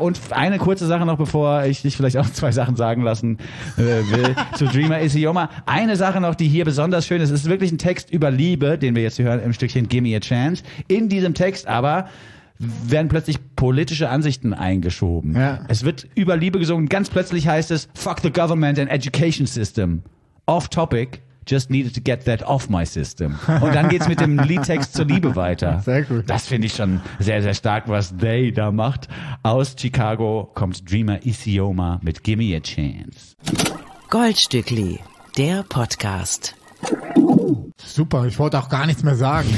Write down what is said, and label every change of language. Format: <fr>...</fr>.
<de>Und eine kurze Sache noch, bevor ich dich vielleicht auch zwei Sachen sagen lassen will, zu Dreamer Isayama. Eine Sache noch, die hier besonders schön ist. Es ist wirklich ein Text über Liebe, den wir jetzt hier hören im Stückchen Gimme a Chance. In diesem Text aber werden plötzlich politische Ansichten eingeschoben. Ja. Es wird über Liebe gesungen. Ganz plötzlich heißt es,</de> <en>fuck the government and education system. Off topic, just needed to get that off my system.</en> <de>Und dann geht's mit dem Liedtext zur Liebe weiter. Sehr gut. Das finde ich schon sehr, sehr stark, was they da macht. Aus Chicago kommt Dreamer Isayama mit Gimme a Chance. Goldstückli, der Podcast. Super, ich wollte auch gar nichts mehr sagen.</de>